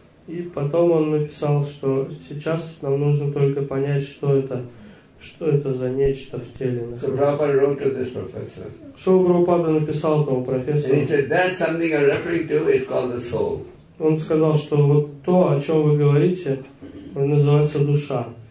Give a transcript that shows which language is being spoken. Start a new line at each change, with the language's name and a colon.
Russian: И потом он написал, что сейчас нам нужно только понять, что это за нечто в теле.
English: So Prabhupada wrote to this professor.
Russian: Что Прабхупада написал этому профессору?
English: And he said, that's something I'm referring to is called the soul.
Russian: Он сказал, что вот то, о чем вы говорите, называется душа.